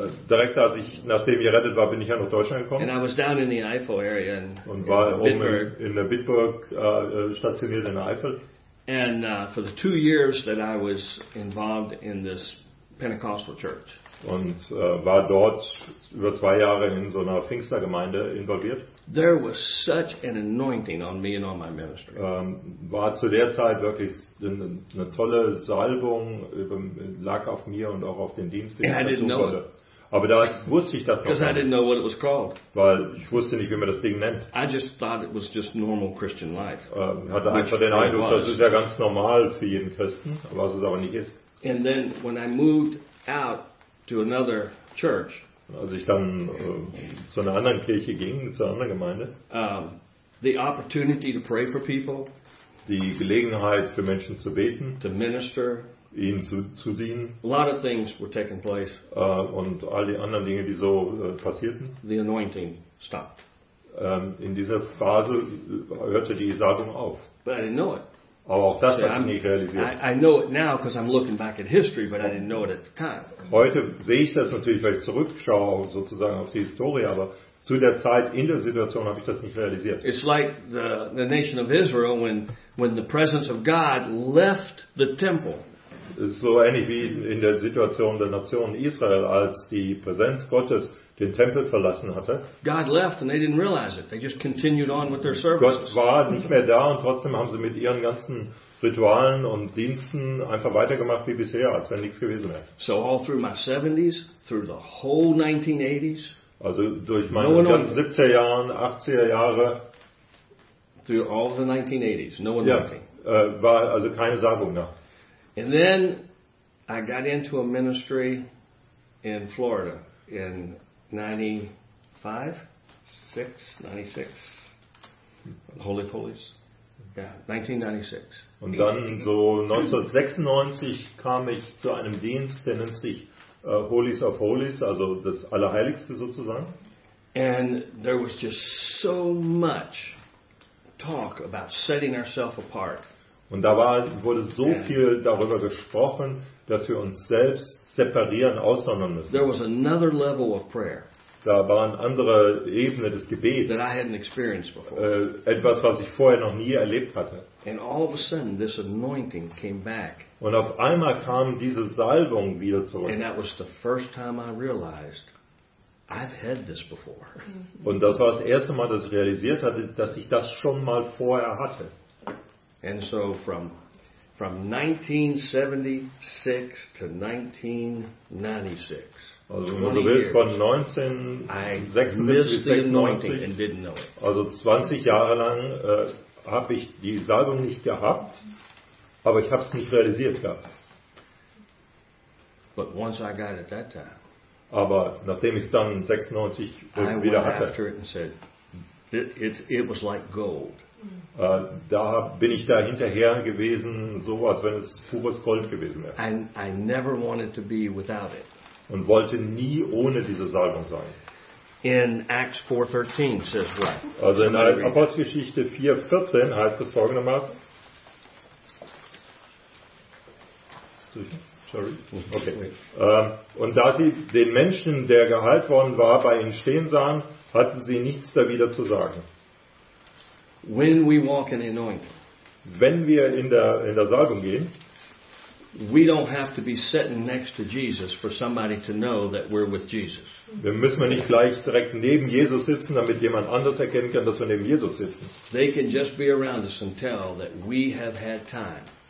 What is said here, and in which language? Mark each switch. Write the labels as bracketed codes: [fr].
[de] Direkt als ich nachdem ich gerettet war, bin ich ja nach Deutschland gekommen. [en] And I was down in the Eifel area in, [de] und war in der Bitburg stationiert in der Eifel. [en] And for the 2 years that I was involved in this Pentecostal church. [de] und war dort über zwei Jahre in so einer Pfingstergemeinde involviert. [en] There was such an anointing on me and on my ministry. [de] War zu der Zeit wirklich eine tolle Salbung, lag auf mir und auch auf den Dienst, den ich tun wollte. Aber da wusste ich das noch nicht, weil ich wusste nicht, wie man das Ding nennt. [en] I just thought it was just normal Christian life. [de] Hatte einfach den Eindruck, das ist ja ganz normal für jeden Christen, was es aber nicht ist. [en] And then when I moved out to another church, [de] als ich dann zu einer anderen Kirche ging, zu einer anderen Gemeinde, [en] the opportunity to pray for people, [de] die Gelegenheit für Menschen zu beten, [en] to minister, [de] ihnen zu dienen. [en] A lot of things were taking place. [de] Und all die anderen Dinge, die so passierten. [en] The anointing stopped. [de] In dieser Phase hörte die Salbung auf. [en] But I didn't know it. [de] Aber auch das habe ich nicht realisiert. [en] I know it now because I'm looking back at history, but I didn't know it at the time. [de] Heute sehe ich das natürlich, weil ich zurückschaue sozusagen auf die Historie, aber zu der Zeit in der Situation habe ich das nicht realisiert. [en] It's like the nation of Israel when the presence of God left the temple. [de] So ähnlich wie in der Situation der Nation Israel, als die Präsenz Gottes den Tempel verlassen hatte. [en] God left and they didn't realize it. They just continued on with their services. [de] Gott war nicht mehr da und trotzdem haben sie mit ihren ganzen Ritualen und Diensten einfach weitergemacht wie bisher, als wenn nichts gewesen wäre. [en] So all through my 70s, through the whole 1980s. Also durch meine ganzen 70er Jahren, 80er Jahre. Through all the 1980s, no one knew. [de] War also keine Salbung mehr. [en] And then I got into a ministry in Florida in 96. Holy of Holies. Yeah, 1996. [de] Und dann so 1996 kam ich zu einem Dienst, der nennt sich Holies of Holies, also das Allerheiligste sozusagen. [en] And there was just so much talk about setting ourselves apart. [de] Und da wurde so viel darüber gesprochen, dass wir uns selbst separieren, aussondern müssen. [en] There was another level of prayer. [de] Da war eine andere Ebene des Gebets. [en] That I hadn't experienced before. [de] Etwas, was ich vorher noch nie erlebt hatte. [en] And all of a sudden, this anointing came back. [de] Und auf einmal kam diese Salbung wieder zurück. [en] And that was the first time I realized I've had this before. [de] Und das war das erste Mal, dass ich realisiert hatte, dass ich das schon mal vorher hatte. [en] And so from 1976 to 1996. [de] Also wenn man so will, von 1976 bis 1996. Also 20 Jahre lang habe ich die Salbung nicht gehabt, aber ich habe es nicht realisiert gehabt. [en] But once I got it that time, [de] aber nachdem ich es dann 1996 wieder hatte, [en] after it and said, it was like gold. [de] Da bin ich da hinterher gewesen, so als wenn es pures Gold gewesen wäre. [en] I never wanted to be without it. [de] Und wollte nie ohne diese Salbung sein. [en] In Acts 4:13 says what? [de] Also in Apostelgeschichte 4:14 heißt es folgendermaßen. [en] Sorry. Okay. [de] Und da sie den Menschen, der geheilt worden war, bei ihnen stehen sahen, hatten sie nichts da wieder zu sagen. [en] When we walk in anointing, [de] wenn wir in der Salbung gehen, [en] we don't have to be sitting next to Jesus for somebody to know that we're with Jesus. [de] Wir müssen nicht gleich direkt neben Jesus sitzen, damit jemand anders erkennen kann, dass wir neben Jesus sitzen. [en] They can just be around us and tell that we have had time.